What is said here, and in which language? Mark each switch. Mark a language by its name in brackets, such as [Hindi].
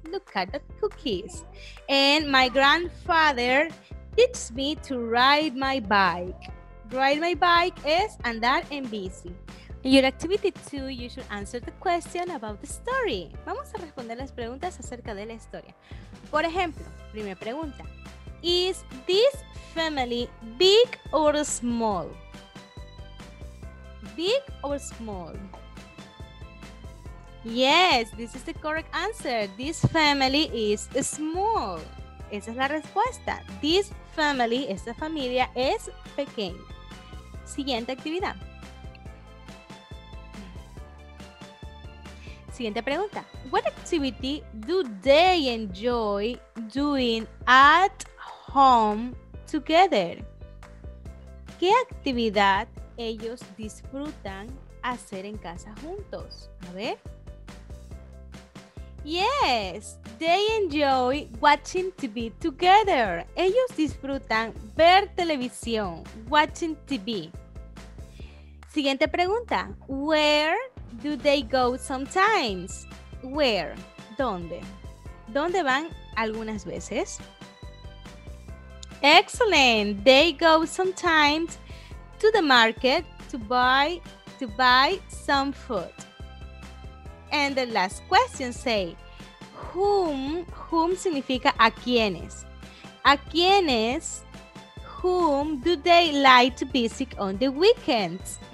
[English] Look at the cookies. And my grandfather teaches me to ride my bike. Ride my bike [Spanish] es andar en bici. [English] In your activity 2, you should answer the question about the story. [Spanish] Vamos a responder las preguntas acerca de la historia. Por ejemplo, primera pregunta. [English] Is this family big or small? Big or small? Yes, this is the correct answer. This family is small. [Spanish] Esa es la respuesta. [English] This family, [Spanish] esta familia, es pequeña. Siguiente actividad. Siguiente pregunta. [English] What activity do they enjoy doing at home together? [Spanish] ¿Qué actividad ellos disfrutan hacer en casa juntos? A ver. [English] Yes, they enjoy watching TV together. [Spanish] Ellos disfrutan ver televisión, [English] watching TV. [Spanish] Siguiente pregunta. [English] Where do they go sometimes? Where? [Spanish] ¿Dónde? ¿Dónde van algunas veces? [English] Excellent! They go sometimes to the market to buy some food. And the last question say, whom [Spanish] significa a quienes? A quienes, [English] whom do they like to visit on the weekends?